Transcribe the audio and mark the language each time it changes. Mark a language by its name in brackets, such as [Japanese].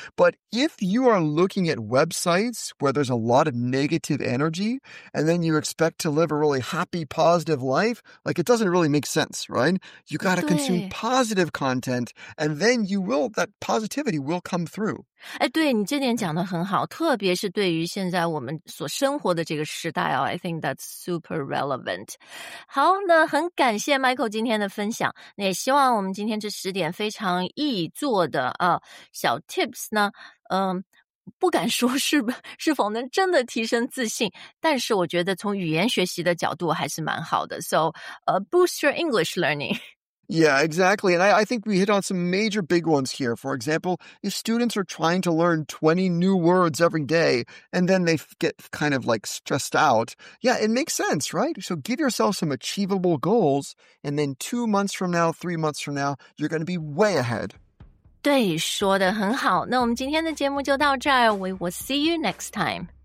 [English] But if you are looking at websites where there's a lot of negative energy, and then you expect to live a really happy, positive life, like it doesn't really make sense, right? You got to consume positive content, and then you will, that positivity will come through. [Chinese] 哎，对，你这点讲得很好，特别是对于现在我们所生活的这个时代哦， [English] I think that's super relevant. [Chinese] 好，那很感谢 Michael 今天的分享，那也希望我们今天这十点非常易做的啊小 tips 呢，嗯，不敢说是否能真的提升自信，但是我觉得从语言学习的角度还是蛮好的。 [English] So, boost your English learning. Yeah, exactly. And I think we hit on some major big ones here. For example, if students are trying to learn 20 new words every day, and then they get kind of like stressed out, yeah, it makes sense, right? So give yourself some achievable goals, and then 2 months from now, 3 months from now, you're going to be way ahead. [Chinese] 对，说得很好。那我们今天的节目就到这儿。 [English] We will see you next time.